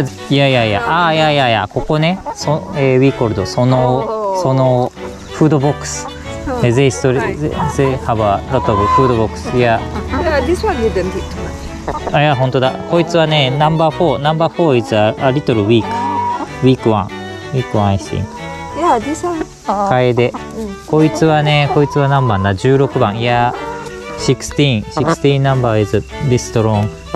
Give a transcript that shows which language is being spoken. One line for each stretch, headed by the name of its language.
Japanese: いやいやいや、ああ、いやいやいや、ここね、そ、
English: ウィーコールド、
Japanese: その、その、フードボックス。そう。
English: They store, they have a lot of food box. Yeah. This one didn't eat too much.
Japanese: あ、いや、ほんとだ。こいつはね、ナンバーフォー、ナンバーフォー
English: is a little weak. Weak one. Weak one, I think. Yeah, this one.
Japanese: カエデ。こいつはね、こいつは何番だ ?16 番。いや、16。
English: 16 number is this strong.